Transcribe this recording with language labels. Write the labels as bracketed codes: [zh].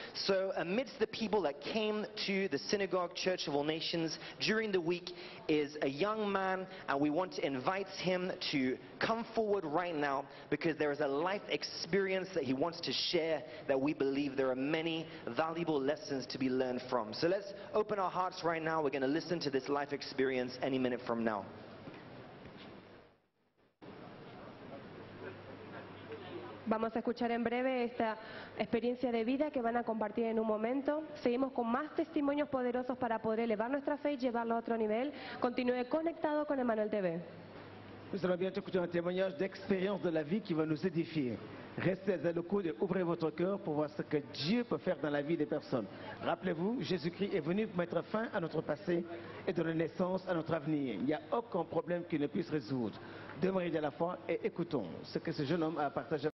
[en] So amidst the people that came to the Synagogue Church of All Nations during the week is a young man, and we want to invite him to come forward right now because there is a life experience that he wants to share that we believe there are many valuable lessons to be learned from. So let's open our hearts right now. We're going to listen to this life experience any minute from now. [es] Vamos a escuchar en breve esta experiencia de vida que van a compartir en un momento. Seguimos con más testimonios poderosos para poder elevar nuestra fe y llevarlo a otro nivel. Continúe conectado con Emmanuel TV. [fr] Nous allons bientôt écouter un témoignage d'expérience de la vie qui va nous édifier. Restez à l'écoute et ouvrez votre cœur pour voir ce que Dieu peut faire dans la vie des personnes. Rappelez-vous, Jésus-Christ est venu pour mettre fin à notre passé et donner naissance à notre avenir. Il n'y a aucun problème qu'il ne puisse résoudre. Demeurez de la foi et écoutons ce que ce jeune homme a partagé.